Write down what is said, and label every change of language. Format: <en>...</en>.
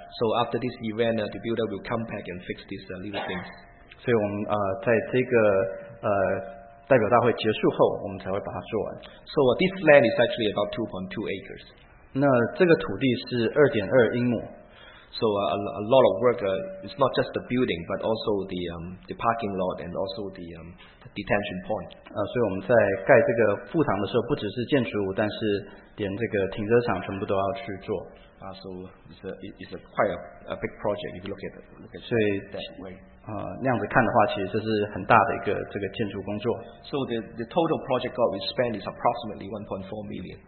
<en>So after this event, the builder will come back and fix these little things.</en> <zh>所以我们在这个代表大会结束后，我们才会把它做完。</zh> <en>So this land is actually about 2.2 acres.</en> <zh>那这个土地是2.2英亩。</zh> <en>So a lot of work. It's not just the building, but also the parking lot and also the detention point.</en> <zh>所以我们在盖这个副堂的时候，不只是建筑物，但是连这个停车场全部都要去做。</zh> <en>So it's quite a big project if you look at that way.</en> <zh>那样子看的话，其实这是很大的一个这个建筑工作。</zh> <en>So the total project cost we spend is approximately 1.4 million.</en>